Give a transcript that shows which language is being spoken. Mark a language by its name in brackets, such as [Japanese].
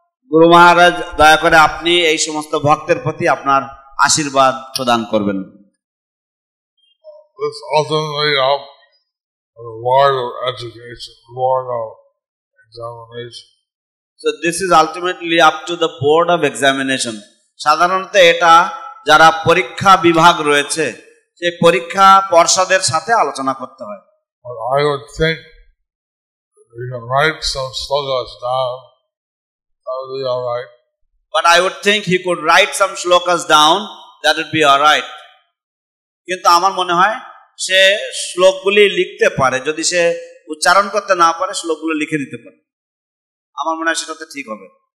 [Bangla] গুরু মহারাজ দয়া করে আপনি এই সমস্ত ভক্তের প্রতি আপনার আশীর্বাদ প্রদান করবেন। [English] This ultimately up for the world of education, world of examination. So this is ultimately up to the board of examination. [Bangla] সাধারণত এটা যারা পরীক্ষা বিভাগ রয়েছে সেই পরীক্ষা পর্ষদের সাথে আলোচনা করতে হয়। [English] But I would think we can write some slogans down. That would be all right. But I would think he could write some slogans down. That would be all right. [Bangla] কিন্তু আমার মনে হয় সে শ্লোকগুলি লিখতে পারে, যদি সে উচ্চারণ করতে না পারে শ্লোকগুলো লিখে দিতে পারে, আমার মনে হয় সেটাতে ঠিক হবে।